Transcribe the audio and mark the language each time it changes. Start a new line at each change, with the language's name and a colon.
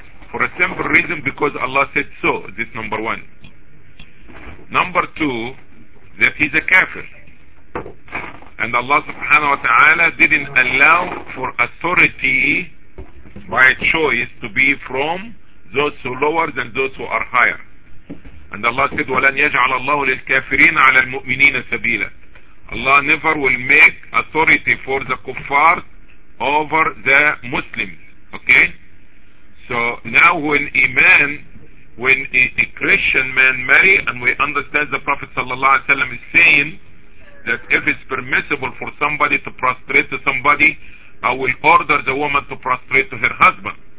English: For a simple reason, because Allah said so. This number one. Number two, that he's a kafir, and Allah subhanahu wa ta'ala didn't allow for authority by choice to be from those who are lower than those who are higher.
Arabic: And Allah said, وَلَنْ يَجْعَلَ اللَّهُ لِلْكَافِرِينَ عَلَى الْمُؤْمِنِينَ سَبِيلًا.
English: Allah never will make authority for the kuffar over the Muslims. Okay? So now when a man, when a Christian man marry, and we understand the Prophet sallallahu alaihi wasallam is saying that if it's permissible for somebody to prostrate to somebody, I will order the woman to prostrate to her husband.